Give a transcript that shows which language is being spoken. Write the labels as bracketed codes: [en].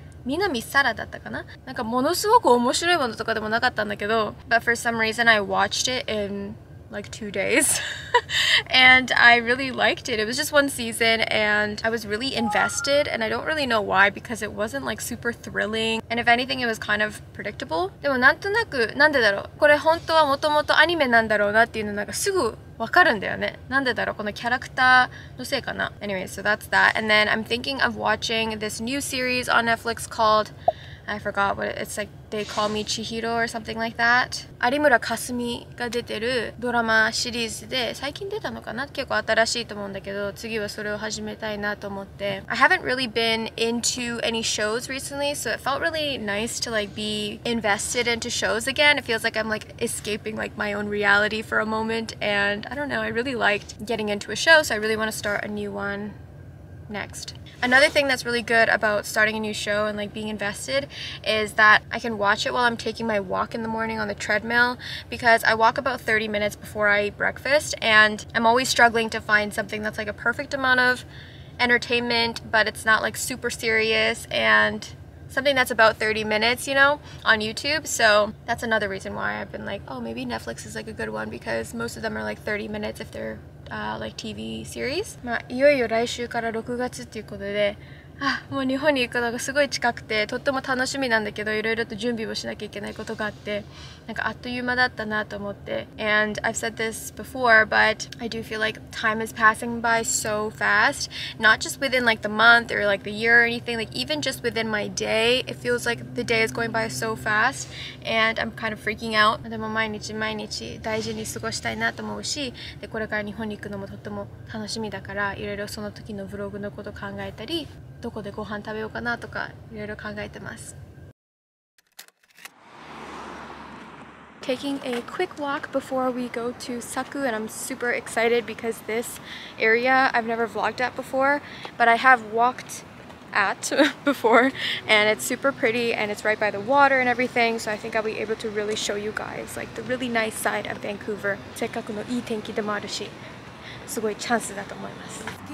[ja] 南サラだったかな、なんかものすごく面白いものとかでもなかったんだけど、 [en] But for some reason I watched it in like 2 days and I really liked it. It was just one season and I was really invested and I don't really know why because it wasn't like super thrilling and if anything it was kind of predictable. [ja] でもなんとなく、なんでだろう、これ本当はもともとアニメなんだろうなっていうのなんかすぐわかるんだよね。なんでだろう、このキャラクターのせいかな。 [en] Anyway, so that's that. And then I'm thinking of watching this new series on Netflix called, I forgot what it, it's like, They Call Me Chihiro or something like that. [ja] 有村架純が出てるドラマシリーズで、最近出たのかな、結構新しいと思うんだけど、次はそれを始めたいなと思って。 [en] I haven't really been into any shows recently, so it felt really nice to like be invested into shows again. It feels like I'm like escaping like my own reality for a moment. And I don't know, I really liked getting into a show, so I really want to start a new one next. Another thing that's really good about starting a new show and like being invested is that I can watch it while I'm taking my walk in the morning on the treadmill because I walk about 30 minutes before I eat breakfast and I'm always struggling to find something that's like a perfect amount of entertainment but it's not like super serious and something that's about 30 minutes, you know, on YouTube. So that's another reason why I've been like, oh, maybe Netflix is like a good one because most of them are like 30 minutes if they're... like TV series. [ja] まあいよいよ来週から6月っていうことで、あ、もう日本に行くのがすごい近くてとっても楽しみなんだけど、いろいろと準備をしなきゃいけないことがあって、なんかあっという間だったなと思って。 [en] And I've said this before but I do feel like time is passing by so fast, not just within like the month or like the year or anything, like even just within my day it feels like the day is going by so fast and I'm kind of freaking out. [ja] でも毎日毎日大事に過ごしたいなと思うし、でこれから日本に行くのもとっても楽しみだから、いろいろその時のブログのこと考えたり、どこでご飯食べようかなとかいろいろ考えてます。 [en] Taking a quick walk before we go to Saku, and I'm super excited because this area I've never vlogged at before, but I have walked at before, and it's super pretty and it's right by the water and everything, so I think I'll be able to really show you guys like the really nice side of Vancouver. [ja] せっかくのいい天気でもあるし、すごいチャンスだと思います。